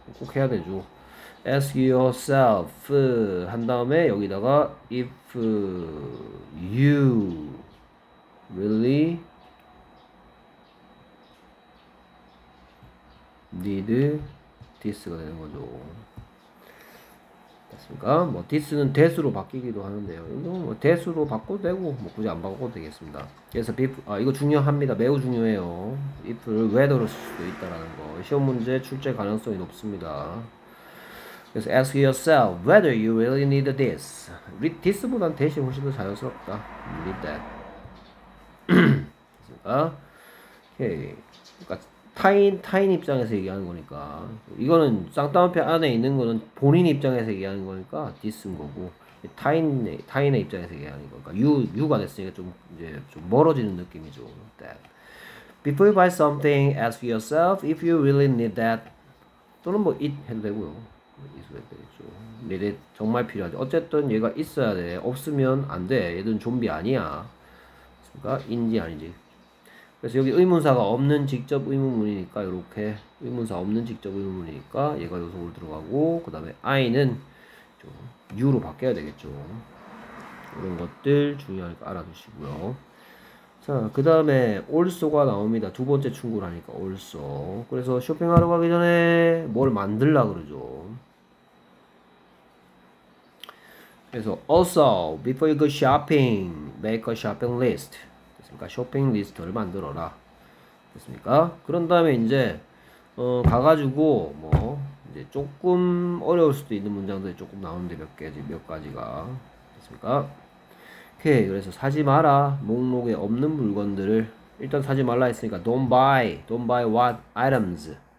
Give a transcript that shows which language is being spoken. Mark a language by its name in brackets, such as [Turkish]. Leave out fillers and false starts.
[Korean] 꼭 해야 되죠. Ask yourself 한 다음에 여기다가 [English] if you really need this [Korean] 가 되는 거죠. 됐습니까? 뭐 this는 that로 바뀌기도 하는데요. 이거 뭐 that로 바꿔도 되고 뭐 굳이 안 바꿔도 되겠습니다. 그래서 이거 중요합니다. 매우 중요해요. if를 whether로 쓸 수도 있다라는 거. 시험 문제 출제 가능성이 높습니다. [English] 그래서 ask yourself whether you really need this. [Korean] this보단 that이 훨씬 더 자연스럽다. [English] need that. [Korean] 됐습니까? 오케이. 그러니까 타인 입장에서 얘기하는 거니까 이거는 쌍따옴표 안에 있는 거는 본인 입장에서 얘기하는 거니까 this인 거고 타인의 입장에서 얘기하는 거니까 you가 됐으니까 좀 이제 좀 멀어지는 느낌이죠. [English] that before you buy something ask yourself if you really need that [Korean] 또는 뭐 it 해도 되고요. is 해도 되겠죠. need it 정말 필요하지. 어쨌든 얘가 있어야 돼. 없으면 안 돼. 얘는 좀비 아니야. 그러니까 인지 아닌지. 그래서 여기 의문사가 없는 직접 의문문이니까 이렇게 의문사 없는 직접 의문문이니까 얘가 요소로 들어가고 그 다음에 I는 좀 U로 바뀌어야 되겠죠. 이런 것들 중요하니까 알아두시고요. 자, 그 다음에 also가 나옵니다. 두 번째 충고라니까 also. 그래서 쇼핑하러 가기 전에 뭘 만들라 그러죠. [English] 그래서 also before you go shopping, make a shopping list. [Korean] 그러니까 쇼핑 리스트를 만들어라. 됐습니까? 그런 다음에 이제 가가지고 뭐 이제 조금 어려울 수도 있는 문장들이 조금 나오는데 몇 가지가 됐습니까? 오케이. 그래서 사지 마라. 목록에 없는 물건들을 일단 사지 말라 했으니까 [English] don't buy what items.